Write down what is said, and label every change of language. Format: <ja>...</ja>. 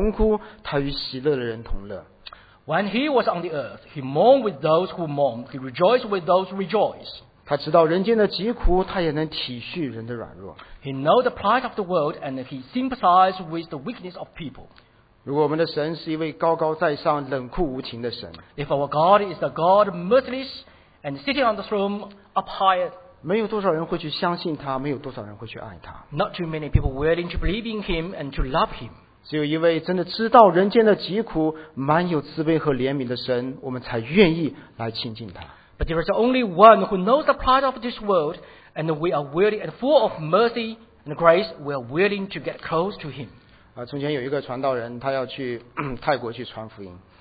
<zh>当他在地上的时候,他与悲哀的人同哭,他与喜乐的人同乐。</zh> <en>When he was on the earth, he mourned with those who mourned, he rejoiced with those who rejoiced.</en> <zh>他知道人间的疾苦, 他也能体恤人的软弱。</zh> <en>He knows the plight of the world and he sympathized with the weakness of people.</en> <zh>如果我们的神是一位高高在上,冷酷无情的神,</zh> <en>if our God is the God merciless and sitting on the throne up high,</en> <zh>没有多少人会去相信他, 没有多少人会去爱他。</zh> <en>Not too many people willing to believe in him and to love him.</en> <zh>只有一位真的知道人间的疾苦, 蛮有慈悲和怜悯的神, 我们才愿意来亲近他。</zh> <en>But there is only one who knows the plight of this world, and we are willing and full of mercy and grace, we are willing to get close to him.</en> <zh>从前有一个传道人, 他要去, 泰国去传福音。</zh>